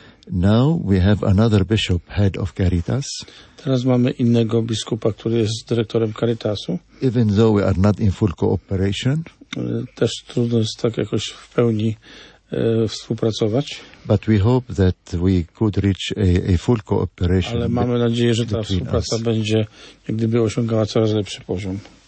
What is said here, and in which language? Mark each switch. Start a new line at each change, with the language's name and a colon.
English: Now we have another bishop head of Caritas.
Polish: Teraz mamy innego biskupa, który jest dyrektorem Caritasu.
English: Even though we are not in full cooperation.
Polish: Też trudno jest tak jakoś w pełni współpracować.
English: But we hope that we could reach a full cooperation.
Polish: Ale mamy nadzieję, że ta współpraca będzie jak gdyby osiągała coraz lepszy poziom.